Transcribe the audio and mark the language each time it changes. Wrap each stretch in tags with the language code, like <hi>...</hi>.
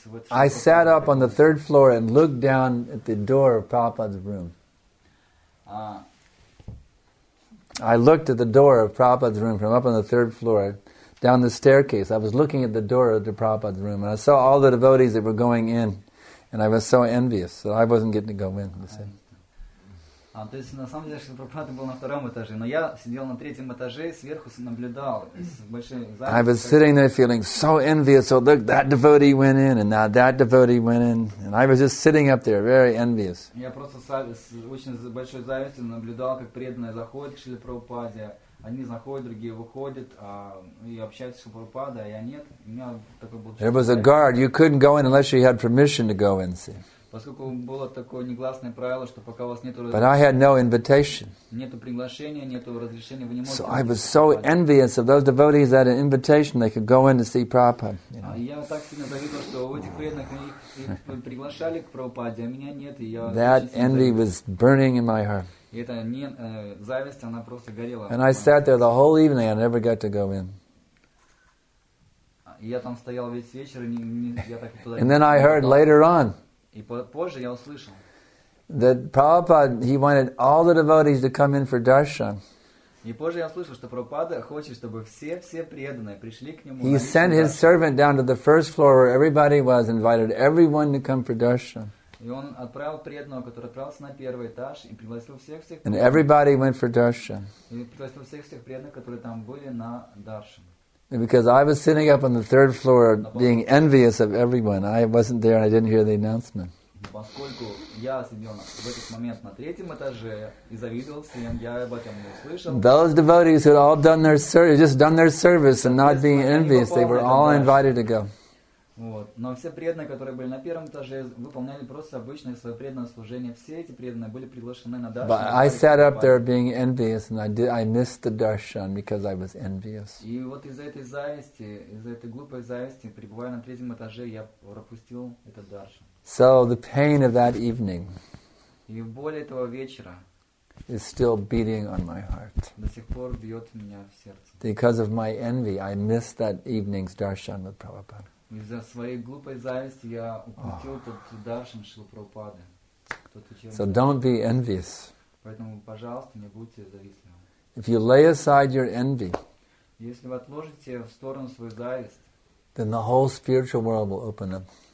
<en>I sat up on the third floor and looked down at the door of Prabhupada's room. I looked at the door of Prabhupada's room from up on the third floor, down the staircase. I was looking at the door of the Prabhupada's room, and I saw all the devotees that were going in, and I was so envious that I wasn't getting to go in.</en> <ru>А, то есть на самом деле, что Прабхупада был на втором этаже, но я сидел на третьем этаже и сверху наблюдал с большим зависть.</ru> <en>I was sitting there feeling so envious. Oh, look, that devotee went in, and now that devotee went in, and I was just sitting up there, very envious.</en> <ru>Я просто с очень большой завистью наблюдал, как преданные заходят к Шриле Прабхупаде, они заходят, другие выходят, и общаются с Шриле Прабхупадой, а я нет. У меня такой был.</ru> <en>There was a guard. You couldn't go in unless you had permission to go in. See.</en> <ru>Поскольку было такое негласное правило, что пока у вас нету разрешения.</ru> <en>But I had no invitation.</en> <ru>Нету приглашения, нету разрешения, вы не можете.</ru> <en>So I was so envious of those devotees that had an invitation, they could go in to see Prabhupada.</en> <ru>Я так сильно завидовал, что у этих преданных их приглашали к Прабхупаде, а меня нет, и я.</ru> <en>That envy was burning in my heart.</en> <ru>И эта зависть, она просто горела.</ru> <en>And I sat there the whole evening, I never got to go in.</en> <ru>И я там стоял весь вечер, и я так.</ru> <en>And then I heard later on.</en> <ru>И позже я услышал.</ru> <en>That Prabhupada, he wanted all the devotees to come in for darshan.</en> <ru>И позже я услышал, что Прабхупада хочет, чтобы все преданные пришли к нему.</ru> <en>He sent his servant down to the first floor where everybody was, invited everyone to come for darshan.</en> <ru>И он отправил преданного, который отправился на первый этаж, и пригласил всех.</ru> <en>And everybody went for darshan.</en> <ru>И пригласил всех преданных, которые там были на даршан.</ru> <en>Because I was sitting up on the third floor being envious of everyone. I wasn't there and I didn't hear the announcement.</en> <ru>Поскольку я сидел в этот момент на третьем этаже и завидовал всем, я об этом не услышал.</ru> <en>Those devotees who had all done their service, just done their service and not being envious, they were all invited to go.</en> <ru>Вот. Но все преданные, которые были на первом этаже, выполняли просто обычное свое преданное служение. Все эти преданные были приглашены на даршан.</ru> <en>But I sat up there being envious, and I missed the darshan because I was envious.</en> <ru>И вот из-за этой зависти, из-за этой глупой зависти, пребывая на третьем этаже, я пропустил этот даршан.</ru> <en>So the pain of that evening.</en> <ru>И боль этого вечера.</ru> <en>Is still beating on my heart.</en> <ru>До сих пор бьет меня в сердце.</ru> <en>Because of my envy, I missed that evening's darshan with Prabhupada.</en> <ru>Из-за своей глупой зависти я упустил этот даршан Шрилы Прабхупады.</ru> <en>So don't be envious.</en> <ru>Поэтому, пожалуйста, не будьте завистливыми.</ru> <en>If you lay aside your envy,</en> <ru>если вы отложите в сторону свою зависть,</ru> <en>then the whole spiritual world will open up.</en>